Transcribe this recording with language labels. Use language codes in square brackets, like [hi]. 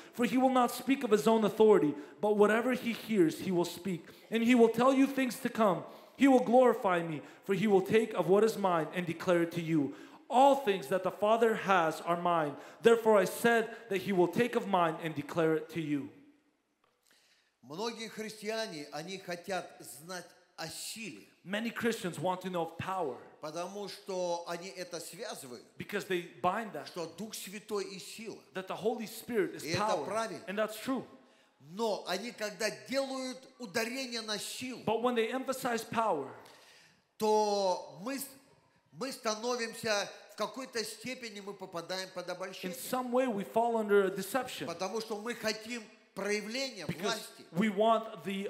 [en] For He will not speak of His own authority, but whatever He hears, He will speak. And He will tell you things to come. He will glorify Me, for He will take of what is Mine and declare it to you. All things that the Father has are Mine. Therefore I said that He will take of Mine and declare it to you. [ru] Многие христиане, они хотят знать [en] Many Christians want to know of power because they bind that the Holy Spirit is power. And that's true. But when they emphasize power, in some way we fall under a deception because we want the